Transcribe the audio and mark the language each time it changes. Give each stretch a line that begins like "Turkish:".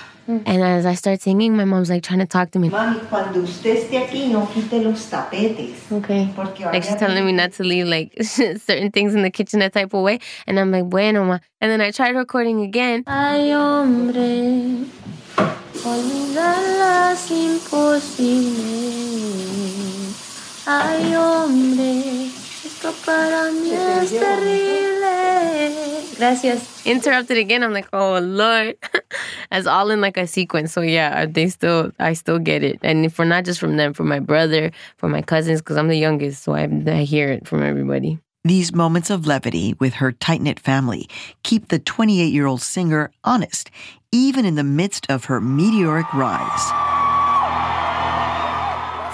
English: And as I start singing, my mom's like trying to talk to me.
Spanish: Mami, cuando usted esté aquí, no quite los tapetes.
English: Okay. Like she's telling me not to leave like certain things in the kitchen that type of way. And I'm like,
Spanish: bueno, ma.
English: And then I tried recording again.
Spanish: Ay, hombre, olvidar las imposibles. Ay, hombre, esto para mí es terrible. Gracias.
English: Interrupted again. I'm like, oh, Lord. It's all in like a sequence. So, yeah, I still get it. And if we're not just from them, from my brother, from my cousins, because I'm the youngest, so I hear it from everybody. These moments of levity with her tight-knit family keep the 28-year-old singer honest, even in the midst of her meteoric rise.